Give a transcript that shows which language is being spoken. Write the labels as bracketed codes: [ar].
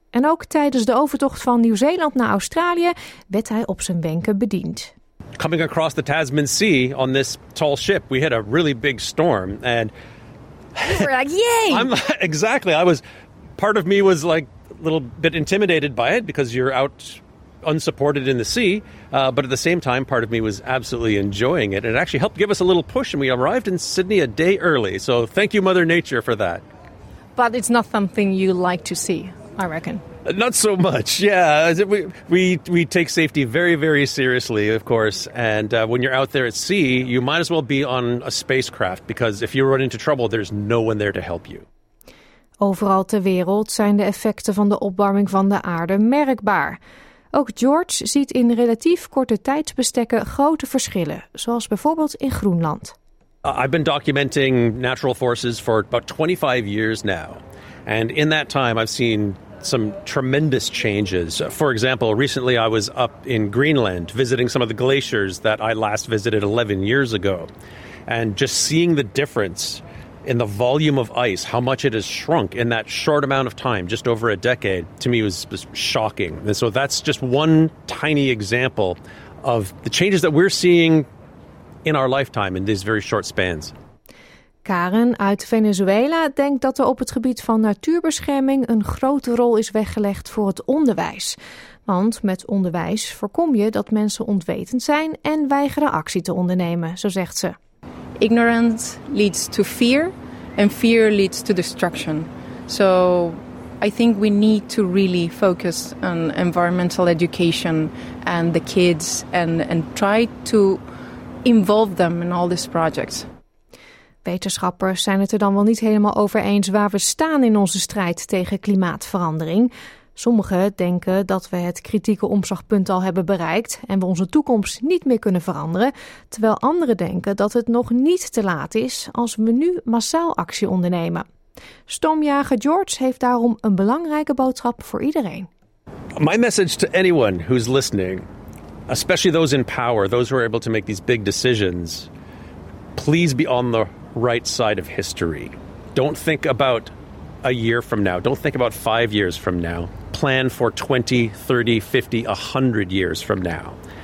[nl] En ook tijdens de overtocht van Nieuw-Zeeland naar Australië werd hij op zijn wenken bediend. [en] Coming across the Tasman Sea on this tall ship, we hit a really big storm. And we're like, yay! Part of me was like, a little bit intimidated by it because you're out unsupported in the sea, but at the same time part of me was absolutely enjoying it. It actually helped give us a little push, and we arrived in Sydney a day early, so thank you Mother Nature for that. But it's not something you like to see, I reckon. Not so much, yeah. We take safety very, very seriously, of course. And when you're out there at sea, you might as well be on a spacecraft, because if you run into trouble, there's no one there to help you. [nl] Overal ter wereld zijn de effecten van de opwarming van de aarde merkbaar. Ook George ziet in relatief korte tijdsbestekken grote verschillen, zoals bijvoorbeeld in Groenland. [en] I've been documenting natural forces for about 25 years now. And in that time I've seen some tremendous changes. For example, recently I was up in Greenland visiting some of the glaciers that I last visited 11 years ago. And just seeing the difference in the volume of ice, how much it has shrunk in that short amount of time, just over a decade, to me was shocking. And so that's just one tiny example of the changes that we're seeing in our lifetime in these very short spans. [nl] Karen uit Venezuela denkt dat er op het gebied van natuurbescherming een grote rol is weggelegd voor het onderwijs. Want met onderwijs voorkom je dat mensen ontwetend zijn en weigeren actie te ondernemen, zo zegt ze. [en] Ignorance leads to fear and fear leads to destruction. So I think we need to really focus on environmental education and the kids and try to involve them in all these projects. [nl] Wetenschappers zijn het er dan wel niet helemaal over eens waar we staan in onze strijd tegen klimaatverandering. Sommigen denken dat we het kritieke omslagpunt al hebben bereikt en we onze toekomst niet meer kunnen veranderen. Terwijl anderen denken dat het nog niet te laat is als we nu massaal actie ondernemen. Stormjager George heeft daarom een belangrijke boodschap voor iedereen. [en] My message to anyone who's listening, especially those in power, those who are able to make these big decisions, please be on the right side of history. Don't think about a year from now. Don't think about 5 years from now. Plan for 20, 30, 50, 100 years from now.